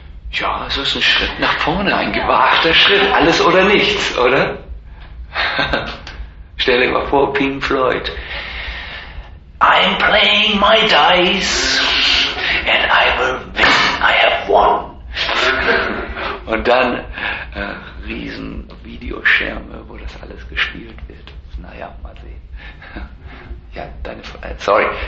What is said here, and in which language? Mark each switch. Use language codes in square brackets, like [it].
[de] Ja, es ist ein Schritt nach vorne, ein gewagter Schritt, alles oder nichts, oder? Stell dir mal vor, Pink Floyd. [en] I'm playing my dice and I will win, I have won. [de] Und dann riesen Videoschirme, wo das alles gespielt wird. Naja, mal sehen. Ja, deine Frage, sorry.